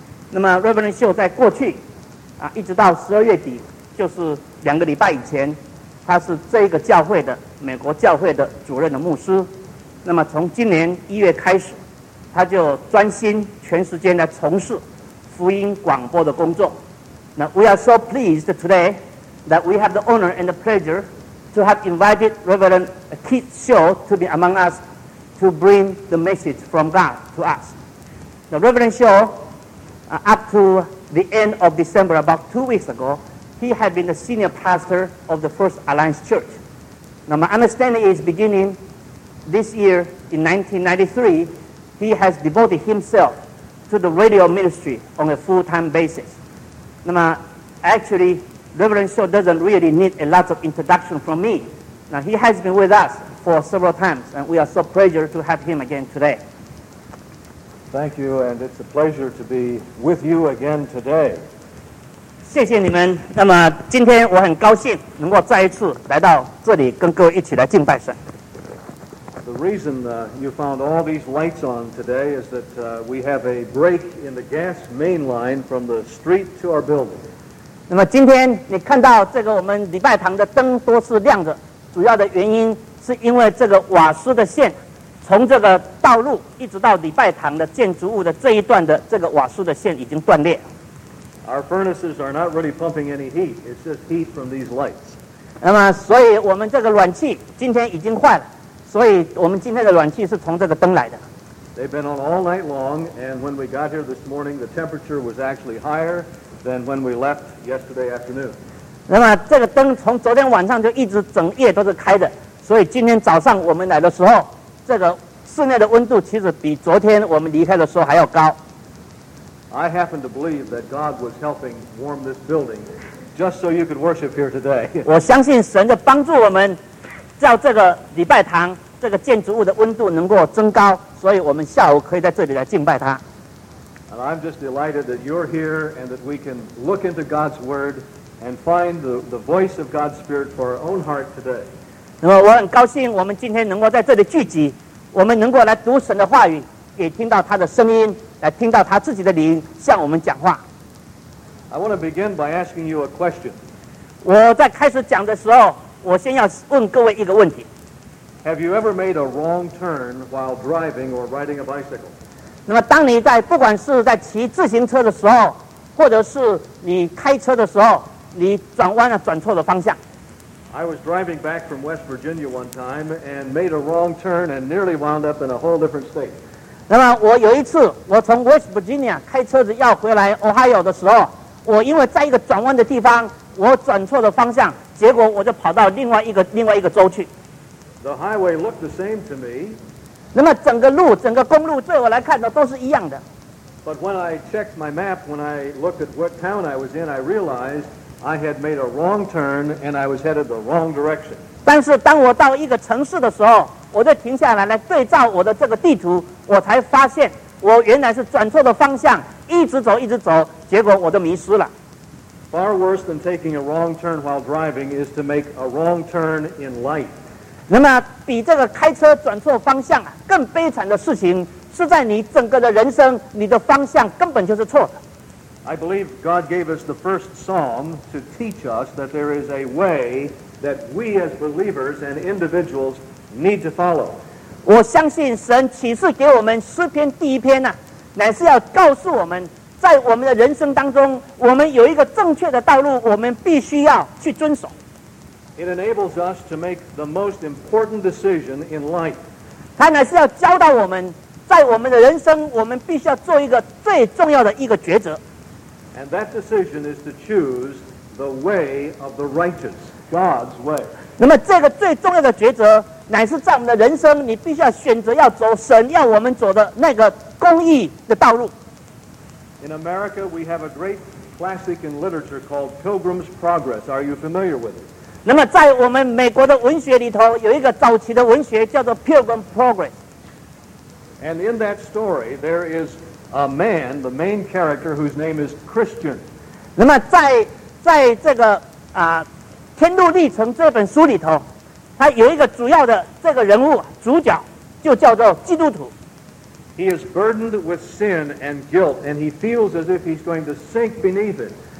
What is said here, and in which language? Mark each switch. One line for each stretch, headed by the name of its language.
Chinese: 那么 Reverend 秀在过去啊，一直到十二月底，就是两个礼拜以前，他是这个教会的美国教会的主任的牧师。那么从今年一月开始，他就专心全时间来从事福音广播的工作。
English: Now we are so pleased today that we have the honor and the pleasure to have invited Reverend Keith Shaw to be among us to bring the message from God to us. Now Reverend Shaw, up to the end of December, about 2 weeks ago, he had been the senior pastor of the First Alliance Church. Now my understanding is beginning this year in 1993, he has devoted himself to the radio ministry on a full-time basis. Now, actually, Reverend Shaw doesn't really need a lot of introduction from me. Now, he has been with us for several times, and we are so pleased to have him again today. Thank you, and it's a pleasure to be with you again today.
Chinese: 谢谢你们。那么今天我很高兴能够再一次来到这里跟各位一起来敬拜神。
English: The reason you found all these lights on today is that we have a break in the gas main line from the street to our building.
Chinese: 那么今天你看到这个我们礼拜堂的灯都是亮着，主要的原因是因为这个瓦斯的线从这个道路一直到礼拜堂的建筑物的这一段的这个瓦斯的线已经断裂。
English: Our furnaces are not really pumping any heat. It's just heat from these lights.
Chinese: 那么所以我们这个暖气今天已经坏了，所以我们今天的暖气是从这个灯来的。
English: They've been on all night long, and when we got here this morning, the temperature was actually higher than when we left yesterday afternoon.
Chinese: 那么这个灯从昨天晚上就一直整夜都是开的，所以今天早上我们来的时候，这个室内的温度其实比昨天我们离开的时候还要高。
English: I happen to believe that God was helping warm this building just so you could worship here today.
Chinese: 我相信神在帮助我们叫这个礼拜堂这个建筑物的温度能够增高，所以我们下午可以在这里来敬拜他。
English: And I'm just delighted that you're here and that we can look into God's word and find the voice of God's spirit for our own heart today.
Chinese: 那么我很高兴我们今天能够在这里聚集，我们能够来读神的话语，也听到他的声音，来听到他自己的灵向我们讲话。
English: I want to begin by asking you a question.
Chinese: 我在开始讲的时候，我先要问各位一个问题。
English: Have you ever made a wrong turn while driving or riding a bicycle?
Chinese: 那么当你在不管是在骑自行车的时候，或者是你开车的时候，你转弯了，转错了方向。
English: I was driving back from West Virginia one time and made a wrong turn and nearly wound up in a whole different state.
Chinese: 那么我有一次，我从 West Virginia 开车子要回来 Ohio 的时候，我因为在一个转弯的地方，我转错了方向，结果我就跑到另外一个州去。
English: The highway looked the same to me.
Chinese: 那么整个路，整个公路，对我来看的都是一样的。
English: But when I checked my map, when I looked at what town I was in, I realized I had made a wrong turn and I was headed the wrong direction.
Chinese: 但是当我到一个城市的时候，我就停下来来对照我的这个地图，我才发现我原来是转错的方向，一直走，一直走，结果我就迷失了。
English: Far worse than taking a wrong turn while driving is to make a wrong turn in life.
Chinese: 那么比这个开车转错方向啊，更悲惨的事情是在你整个的人生，你的方向根本就是错的。
English: I believe God gave us the first psalm to teach us that there is a way that we as believers and individuals need to follow.
Chinese: 我相信神启示给我们诗篇第一篇啊，乃是要告诉我们在我们的人生当中，我们有一个正确的道路，我们必须要去遵守。
English: It enables us to make the most important decision in life.
Chinese: 它乃是要教导我们，在我们的人生，我们必须要做一个最重要的一个抉择。
English: And that decision is to choose the way of the righteous, God's way.
Chinese: 那么这个最重要的抉择，乃是在我们的人生，你必须要选择要走神要我们走的那个公义的道路。
English: In America, we have a great classic in literature called Pilgrim's Progress. Are you familiar with it?
Chinese: 那么在我们美国的文学里头，有一个早期的文学叫做 Pilgrim's Progress.
English: And in that story, there is a man, the main character, whose name is Christian.
Chinese: 那么在这个天路历程这本书里头，他有一个主要的这个人物，主角就叫做基督徒。
English: He is burdened with sin and guilt, and he feels as if he's going to sink beneath it.